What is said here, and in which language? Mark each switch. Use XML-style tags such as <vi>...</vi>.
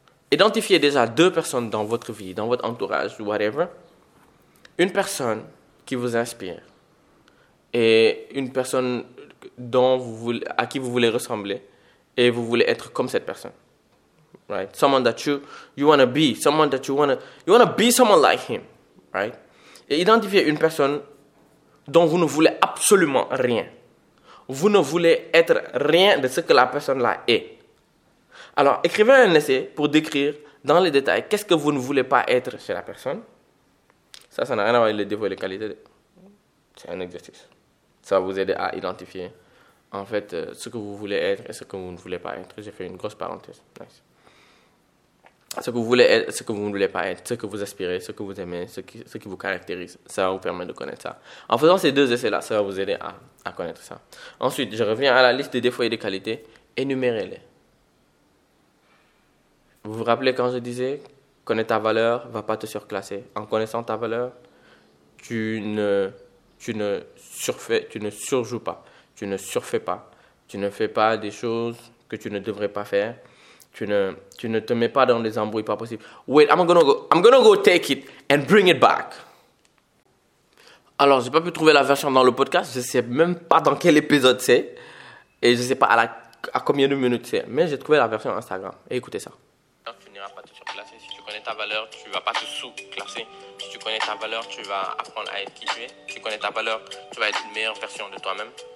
<fr>Identifiez déjà deux personnes dans votre vie, dans votre entourage, whatever. Une personne qui vous inspire. Et une personne dont vous voulez, à qui vous voulez ressembler. Et vous voulez être comme cette personne, right?</fr> <en>Someone that you want to be, someone that you want to be someone like him, right?</en> <fr>Et identifiez une personne dont vous ne voulez absolument rien. Vous ne voulez être rien de ce que la personne là est. Alors écrivez un essai pour décrire dans les détails qu'est-ce que vous ne voulez pas être chez la personne. Ça n'a rien à voir avec les défauts et les qualités. C'est un exercice. Ça va vous aider à identifier. En fait, ce que vous voulez être et ce que vous ne voulez pas être. J'ai fait une grosse parenthèse. Nice. Ce que vous voulez être, ce que vous ne voulez pas être, ce que vous aspirez, ce que vous aimez, ce qui vous caractérise. Ça va vous permettre de connaître ça. En faisant ces deux essais-là, ça va vous aider à connaître ça. Ensuite, je reviens à la liste des défauts et des qualités. Énumérez-les. Vous vous rappelez quand je disais, connais ta valeur, va pas te surclasser. En connaissant ta valeur, tu ne surjoues pas. Tu ne surfais pas, tu ne fais pas des choses que tu ne devrais pas faire, tu ne te mets pas dans des embrouilles pas possibles.</fr> <en>Wait, I'm gonna go take it and bring it back.</en> <fr>Alors, j'ai pas pu trouver la version dans le podcast, je sais même pas dans quel épisode c'est, et je sais pas à combien de minutes c'est, mais j'ai trouvé la version Instagram, et écoutez ça. Tu n'iras pas te surclasser, si tu connais ta valeur, tu vas pas te sous-classer. Si tu connais ta valeur, tu vas apprendre à être qui tu es. Si tu connais ta valeur, tu vas être une meilleure version de toi-même.</fr>